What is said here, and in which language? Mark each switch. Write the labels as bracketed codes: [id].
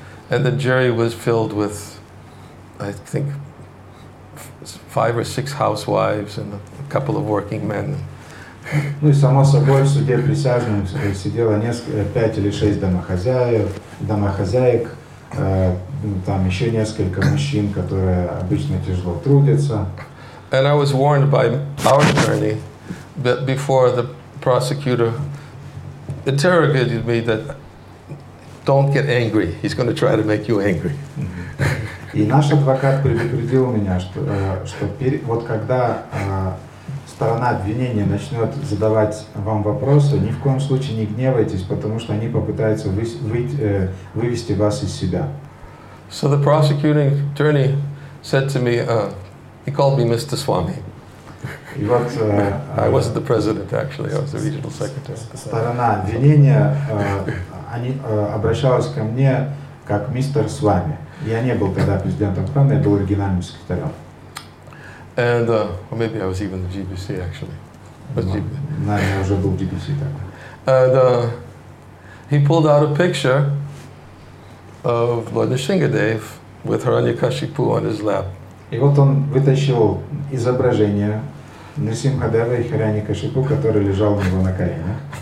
[en] And the jury was filled with, I think, 5 or 6 housewives and a couple of working men. [ru] Ну и само собой в суде присяжных сидело 5 или 6 домохозяек, там еще несколько мужчин, которые обычно тяжело трудятся. [en] And I was warned by our attorney that before the prosecutor interrogated me that don't get angry. He's going to try to make you angry. [ru] И наш адвокат предупредил меня, что вот когда сторона обвинения начнет задавать вам вопросы, ни в коем случае не гневайтесь, потому что они попытаются вывести вас из себя. [en] So the prosecuting attorney said to me, he called me Mr. Swami. I wasn't the president, actually. I was the regional secretary. [ru] Сторона обвинения, они обращались ко мне как мистер Свами. Я не был тогда президентом храма, я был оригинальным секретарем. [en] And or maybe I was even the GBC, actually. No, [ru] я уже был GBC тогда. [en] And he pulled out a picture of Lord Nrisimhadev with Hiranyakashipu on his lap. [ru] И вот он вытащил изображение Нрисимхадева и Хиряни Кашипу, который лежал у него на коленях.